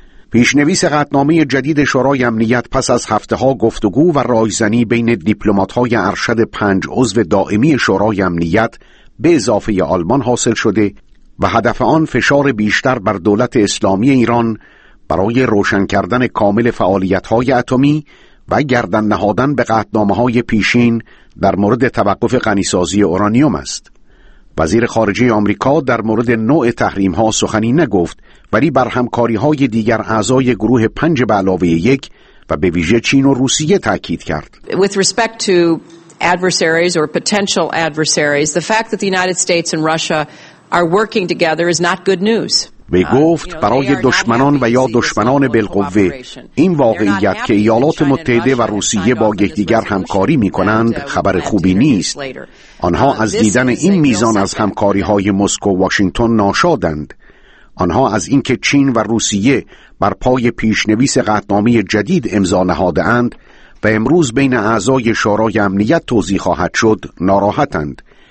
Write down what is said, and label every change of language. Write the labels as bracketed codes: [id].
[fa] پیشنویس قطعنامه جدید شورای امنیت پس از هفته‌ها گفتگو و رایزنی بین دیپلمات‌های ارشد 5 عضو دائمی شورای امنیت به اضافه آلمان حاصل شده و هدف آن فشار بیشتر بر دولت اسلامی ایران برای روشن کردن کامل فعالیت‌های اتمی و گردن نهادن به قطعنامه‌های پیشین در مورد توقف غنی‌سازی اورانیوم است. وزیر خارجه آمریکا در مورد نوع تحریم‌ها سخنی نگفت، ولی بر همکاری‌های دیگر اعضای گروه 5 به علاوه 1 و به ویژه چین و روسیه تأکید کرد. [en] With respect to adversaries or potential adversaries, the fact that the United States and Russia are working together is not good news. [fa] وی گفت برای دشمنان و یا دشمنان بالقوه این واقعیت که ایالات متحده و روسیه با یکدیگر همکاری می کنند خبر خوبی نیست. آنها از دیدن این میزان از همکاری های مسکو و واشنگتن ناشادند. آنها از اینکه چین و روسیه بر پای پیشنویس قطعنامه جدید امضا نهاده اند و امروز بین اعضای شورای امنیت توضیح خواهد شد ناراحتند.